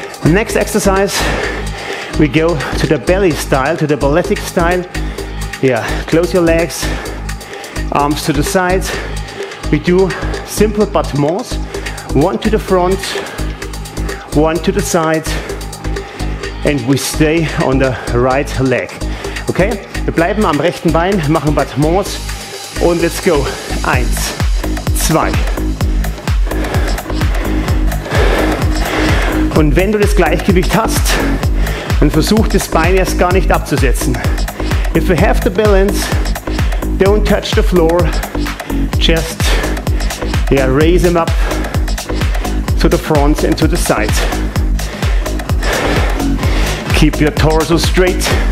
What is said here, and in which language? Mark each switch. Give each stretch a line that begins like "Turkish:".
English: Next exercise, we go to the belly style, to the balletic style. Yeah, close your legs, arms to the sides. We do simple but more. One to the front, one to the side, and we stay on the right leg. Okay?
German: Wir bleiben am rechten Bein, machen Battements und
English: let's go.
German: Eins, zwei. Und wenn du das Gleichgewicht hast, dann versuch das Bein erst gar nicht abzusetzen.
English: If you have the balance, don't touch the floor. Just yeah, raise him up to the front and to the side. Keep your torso straight.